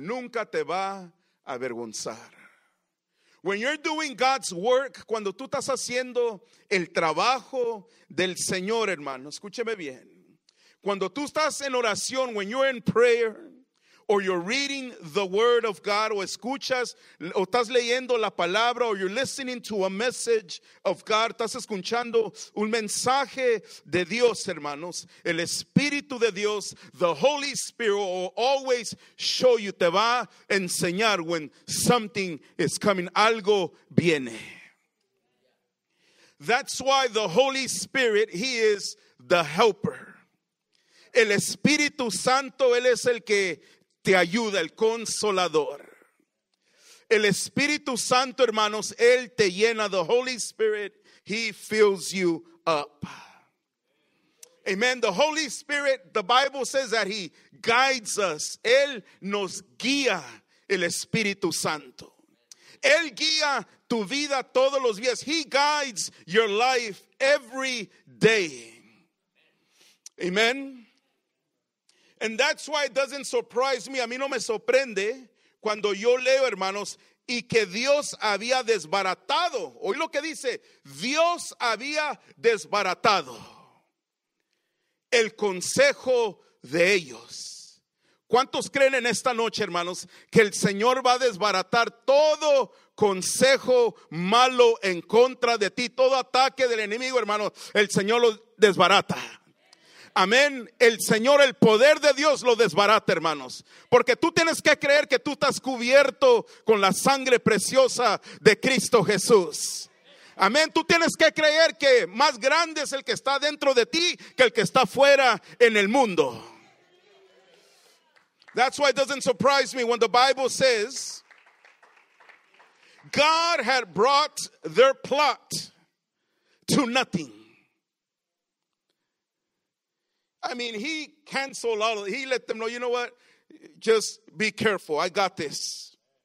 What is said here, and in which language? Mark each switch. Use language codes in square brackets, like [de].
[es] Nunca te va a avergonzar. [en] When you're doing God's work, [es] cuando tú estás haciendo el trabajo del Señor, hermano, escúcheme bien. Cuando tú estás en oración, [en] when you're in prayer, or you're reading the word of God, [es] o escuchas, o estás leyendo la palabra, [en] or you're listening to a message of God, [es] estás escuchando un mensaje de Dios, hermanos. El Espíritu de Dios, [en] the Holy Spirit, will always show you, [es] te va a enseñar [en] when something is coming, [es] algo viene. [en] That's why the Holy Spirit, He is the helper. [es] El Espíritu Santo, Él es el que te ayuda, el consolador. El Espíritu Santo, hermanos, Él te llena. [en] The Holy Spirit, He fills you up. Amen. The Holy Spirit, the Bible says that He guides us. [es] Él nos guía, el Espíritu Santo. Él guía tu vida todos los días. [en] He guides your life every day. Amen. And that's why it doesn't surprise me. [es] A mí no me sorprende cuando yo leo, hermanos, y que Dios había desbaratado. Oí lo que dice, Dios había desbaratado el consejo de ellos. ¿Cuántos creen en esta noche, hermanos, que el Señor va a desbaratar todo consejo malo en contra de ti? Todo ataque del enemigo, hermanos, el Señor lo desbarata. Amén. El Señor, el poder de Dios lo desbarata, hermanos. Porque tú tienes que creer que tú estás cubierto con la sangre preciosa de Cristo Jesús. Amén. Tú tienes que creer que más grande es el que está dentro de ti que el que está fuera en el mundo. [en] That's why it doesn't surprise me when the Bible says God had brought their plot to nothing. I mean, He canceled all of it. He let them know, you know what? Just be careful. I got this.